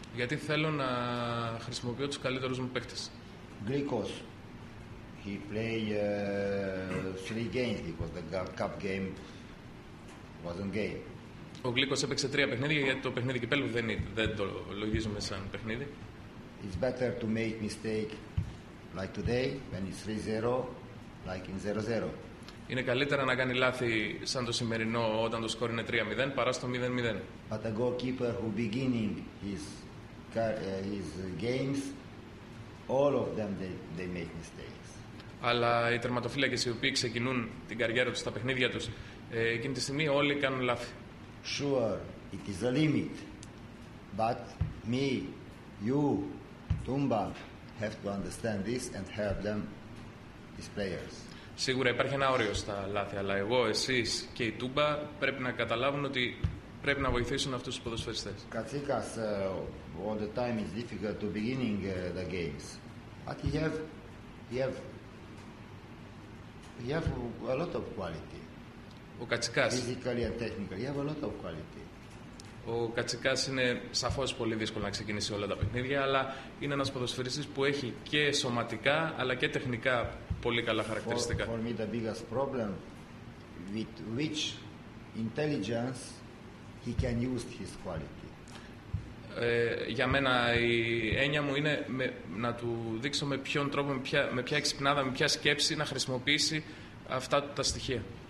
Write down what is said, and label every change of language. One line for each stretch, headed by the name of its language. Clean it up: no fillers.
Greek: Γιατί θέλω να χρησιμοποιώ τους καλύτερους μου παίκτες. Γκρίκος.
English: He played three games because the cup game wasn't game.
Greek: Ο Γκλίκος έπαιξε τρία παιχνίδια γιατί το παιχνίδι κυπέλλου δεν το λογίζουμε σαν παιχνίδι.
English: It's better to make mistake like today when it's 3-0 like in 0-0.
Greek: Είναι καλύτερα να κάνει λάθη σαν το σημερινό όταν το σκορ είναι 3-0 παρά στο 0-0.
English: But a goalkeeper who beginning his games, all of them they make mistakes.
Greek: Αλλά οι τερματοφύλακες οι οποίοι ξεκινούν την καριέρα τους, τα παιχνίδια τους, εκείνη τη στιγμή όλοι κάνουν λάθη.
English: Sure, it is a limit. But me, you, Tumba have to understand this and help them, these players.
Greek: Σίγουρα υπάρχει ένα όριο στα λάθη, αλλά εγώ, εσείς και η Τούμπα πρέπει να καταλάβουν ότι πρέπει να βοηθήσουν αυτούς τους ποδοσφαιριστές.
English: Κατσίκας, all the time is difficult to beginning the games. But he have a lot of quality.
Greek: Ο Κατσίκας.
English: Physically and technically, he have a lot of quality.
Greek: Ο Κατσίκας είναι σαφώς πολύ δύσκολο να ξεκινήσει όλα τα παιχνίδια, αλλά είναι ένας ποδοσφαιριστής που έχει και σωματικά, αλλά και τεχνικά πολύ καλά χαρακτηριστικά.
English: For me the biggest problem with which intelligence he can use his quality.
Greek: Για μένα η έννοια μου είναι να του δείξω με ποιον τρόπο, με ποια εξυπνάδα, με ποια σκέψη να χρησιμοποιήσει αυτά τα στοιχεία.